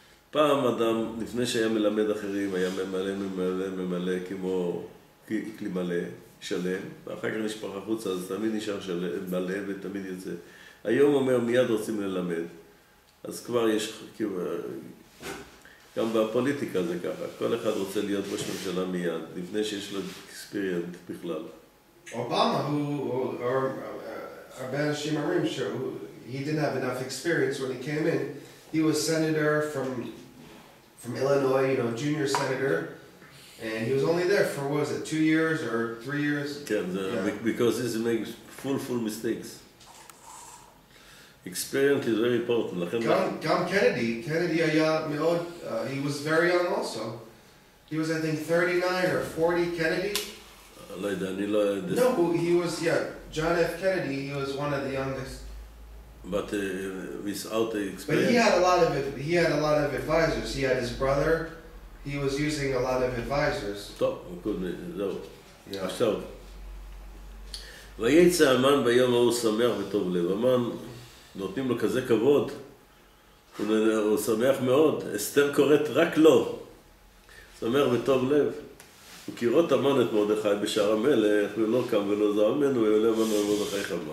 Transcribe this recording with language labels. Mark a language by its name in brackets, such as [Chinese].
[Hebrew] פעם אדם, לפני שהיה מלמד אחרים, היה ממלא, ממלא, ממלא, כמו כלי מלא, שלם, ואחר כך נשפך החוצה, אז תמיד נשאר שלם, מלא ותמיד יוצא. היום אומר, מיד רוצים ללמד. אז כבר יש, כאילו, גם בפוליטיקה זה ככה. כל אחד רוצה להיות ראש ממשלה מיד, לפני שיש לו אקספיריינט בכלל. אובמה הוא... הרבה אנשים אומרים שהוא... [English] He didn't have enough experience when he came in. He was senator from Illinois, you know, junior senator. And he was only there for, what was it, 2 years or 3 years? Yeah, because this makes full mistakes. Experience is very important. [Hebrew] גם Kennedy. [English] Kennedy [Hebrew] היה מאוד, [English] he was very young also. He was, I think, 39 or 40, Kennedy. [Hebrew] לא יודע, אני לא יודע. [English] No, he was, yeah, John F. Kennedy, he was one of the youngest. But without the experience. But he had a lot of advisors. He had his brother. He was using a lot of advisors. [Hebrew] טוב, good. זהו. עכשיו. ויצא המן ביום ההוא שמח וטוב לב. המן, נותנים לו כזה כבוד. הוא שמח מאוד. אסתר קוראת רק לו. שמח וטוב לב. הוא קירות המן את מרדכי בשער המלך, ולא קם ולא זעם ממנו, ויולה מן על מרדכי חמה.